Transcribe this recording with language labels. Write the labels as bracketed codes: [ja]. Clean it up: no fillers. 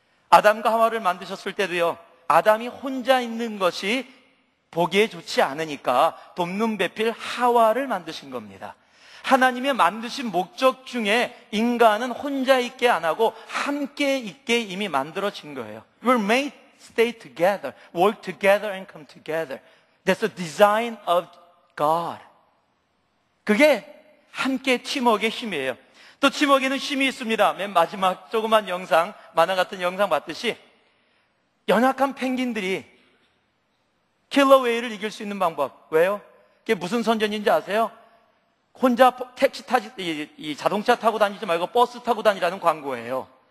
[ko] 아담과 하와를 만드셨을 때도요, 아담이 혼자 있는 것이 보기에 좋지 않으니까 돕는 배필 하와를 만드신 겁니다. 하나님의 만드신 목적 중에 인간은 혼자 있게 안 하고 함께 있게 이미 만들어진 거예요. [en] We're made stay together, work together and come together. That's the design of God. [ko] 그게 함께 팀워크의 힘이에요. 또 팀워크에는 힘이 있습니다. 맨 마지막 조그만 영상, 만화 같은 영상 봤듯이 연약한 펭귄들이 킬러 웨일을 이길 수 있는 방법. 왜요? 그게 무슨 선전인지 아세요? 혼자 택시 타지, 이 자동차 타고 다니지 말고 버스 타고 다니라는 광고예요.